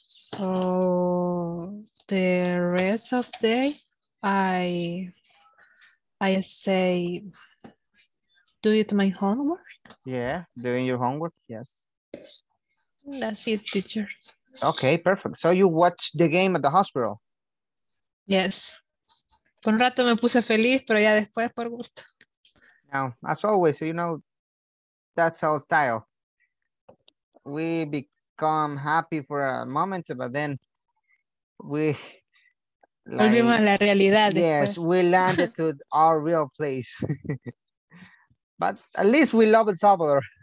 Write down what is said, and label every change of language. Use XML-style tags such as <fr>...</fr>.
<en>So the rest of the day, I say, do it my homework. Yeah, doing your homework, yes. That's it, teacher. Okay, perfect. So you watched the game at the hospital? Yes.</en> <es>Por un rato me puse feliz, pero ya después por gusto.</es> <en>Now, as always, you know, that's our style. We become happy for a moment, but then we...</en> <es>Like, volvimos a la realidad.</es> <en>Yes,</en> <es>después.</es> <en>We landed to our real place. But at least we love El Salvador.</en>